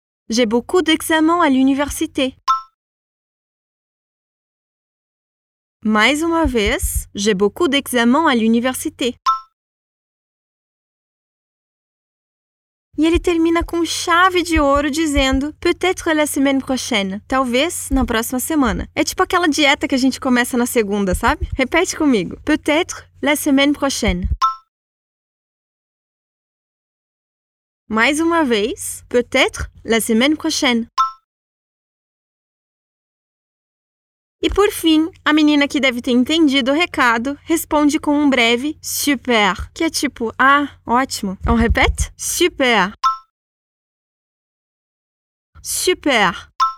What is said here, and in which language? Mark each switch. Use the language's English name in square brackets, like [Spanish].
[French] J'ai beaucoup d'examens à l'université. [Portuguese] Mais uma vez, [French] j'ai beaucoup d'examens à l'université. [Portuguese] E ele termina com chave de ouro dizendo [French] peut-être la semaine prochaine. [Portuguese] Talvez na próxima semana. É tipo aquela dieta que a gente começa na segunda, sabe? Repete comigo. [French] Peut-être la semaine prochaine. [Portuguese] Mais uma vez. [French] Peut-être la semaine prochaine. [Portuguese] E por fim, a menina que deve ter entendido o recado responde com um breve super, que é tipo, ah, ótimo. [French] On répète? Super. [Portuguese] Super.